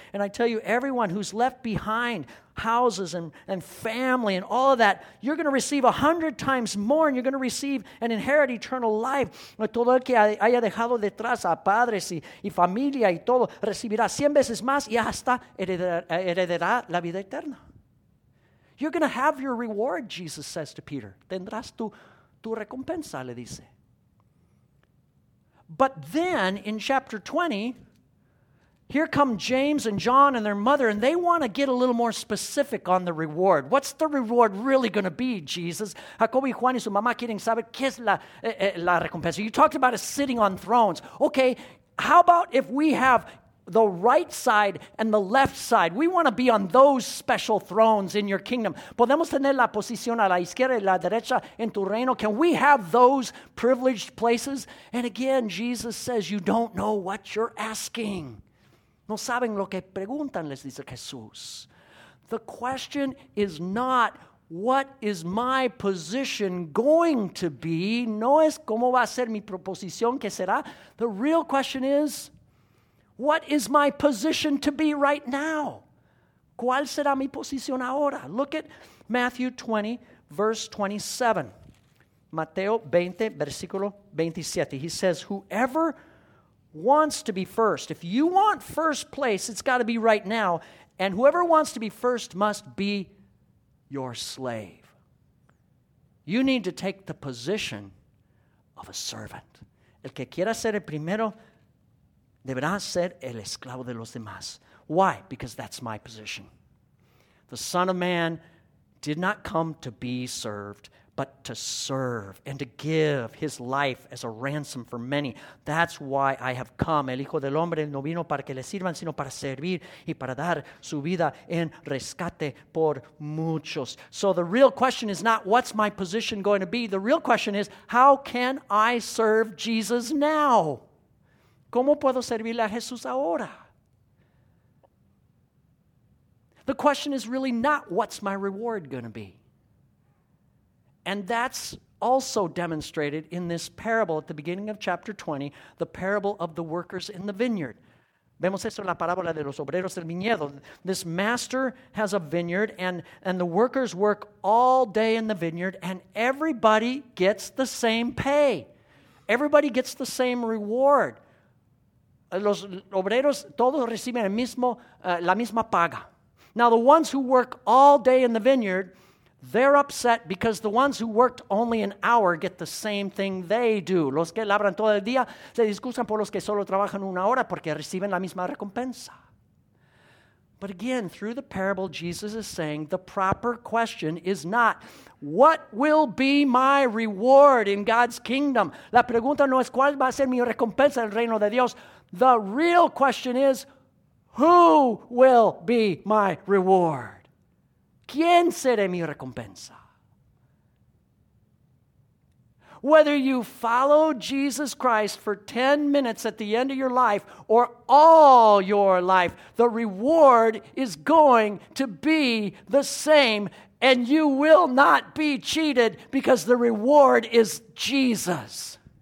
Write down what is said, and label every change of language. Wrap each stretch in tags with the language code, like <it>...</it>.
<en>And I tell you, everyone who's left behind houses and family and all of that, you're going to receive 100 times more, and you're going to receive and inherit eternal life.</en> <es>Todo el que haya dejado detrás a padres y familia y todo recibirá 100 veces más y hasta heredará la vida eterna.</es> <en>You're going to have your reward, Jesus says to Peter.</en> <es>Tendrás tu recompensa, le dice.</es> <en>But then in chapter 20, here come James and John and their mother, and they want to get a little more specific on the reward. What's the reward really going to be, Jesus?</en> <es>Jacob y Juan y su mamá quieren saber qué es la recompensa.</es> <en>You talked about us sitting on thrones. Okay, how about if we have the right side and the left side? We want to be on those special thrones in your kingdom.</en> <es>¿Podemos tener la posición a la izquierda y la derecha en tu reino?</es> <en>Can we have those privileged places? And again, Jesus says, you don't know what you're asking.</en> <es>No saben lo que preguntan, les dice Jesús.</es> <en>The question is not, what is my position going to be?</en> <es>No es cómo va a ser mi proposición, qué será.</es> <en>The real question is, what is my position to be right now?</en> <es>¿Cuál será mi posición ahora?</es> <en>Look at Matthew 20, verse 27.</en> <es>Mateo 20, versículo 27.</es> <en>He says, whoever wants to be first. If you want first place, it's got to be right now. And whoever wants to be first must be your slave. You need to take the position of a servant.</en> <es>El que quiera ser el primero deberá ser el esclavo de los demás.</es> <en>Why? Because that's my position. The Son of Man did not come to be served, but to serve and to give his life as a ransom for many. That's why I have come.</en> <es>El Hijo del Hombre no vino para que le sirvan, sino para servir y para dar su vida en rescate por muchos.</es> <en>So the real question is not, what's my position going to be? The real question is, how can I serve Jesus now?</en> <es>¿Cómo puedo servirle a Jesús ahora?</es> <en>The question is really not, what's my reward going to be? And that's also demonstrated in this parable at the beginning of chapter 20, the parable of the workers in the vineyard.</en> <es>Vemos eso en la parábola de los obreros del viñedo.</es> <en>This master has a vineyard, and the workers work all day in the vineyard, and everybody gets the same pay. Everybody gets the same reward.</en> <es>Los obreros, todos reciben la misma paga.</es> <en>Now, the ones who work all day in the vineyard, they're upset because the ones who worked only an hour get the same thing they do.</en> <es>Los que labran todo el día se disculpan por los que solo trabajan una hora porque reciben la misma recompensa.</es> <en>But again, through the parable, Jesus is saying the proper question is not, what will be my reward in God's kingdom?</en> <es>La pregunta no es, ¿cuál va a ser mi recompensa en el reino de Dios?</es> <en>The real question is, who will be my reward?</en> <es>¿Quién será mi recompensa?</es> <en>Whether you follow Jesus Christ for 10 minutes at the end of your life or all your life, the reward is going to be the same, and you will not be cheated because the reward is Jesus.</en>